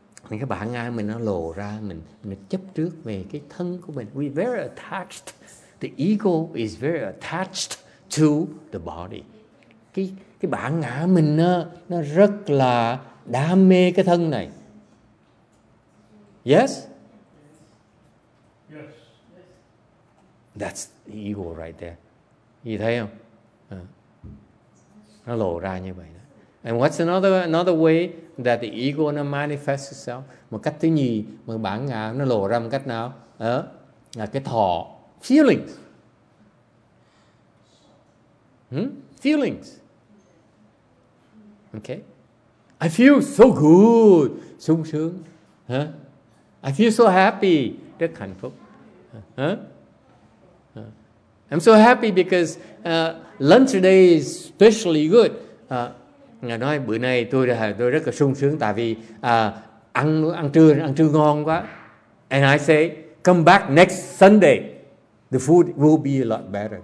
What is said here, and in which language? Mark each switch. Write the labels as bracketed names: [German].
[Vietnamese] Những cái bản ngã mình nó lộ ra, mình chấp trước về cái thân của mình. [English] We're very attached. The ego is very attached to the body. [Vietnamese] Cái bản ngã mình nó rất là đam mê cái thân này. [English] Yes? Yes. That's the ego right there. You [Vietnamese] thấy không? Nó lộ ra như vậy đó. [English] And what's another way that the ego nó manifests itself? [Vietnamese] Một cách thứ nhì mà bản ngã nó lộ ra một cách nào? Là cái thọ. [English] Feelings. Feelings. Okay. I feel so good. [Vietnamese] Sung sướng. [English] I feel so happy. [Vietnamese] Rất hạnh phúc. [English] I'm so happy because lunch today is especially good. [Vietnamese] Ngài nói bữa nay tôi rất là sung sướng tại vì ăn trưa ngon quá. [English] And I say, come back next Sunday. The food will be a lot better.